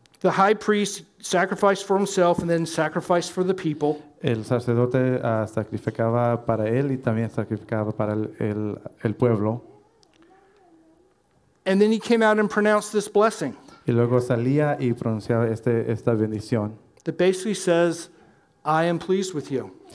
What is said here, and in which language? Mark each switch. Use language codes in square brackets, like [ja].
[en] The high priest sacrificed for himself and then sacrificed for the people. [es] El sacerdote sacrificaba para él y también sacrificaba para el pueblo. [en] And then he came out and pronounced this blessing. [es] Y luego salía y pronunciaba esta bendición. [en] That basically says, I am pleased with you.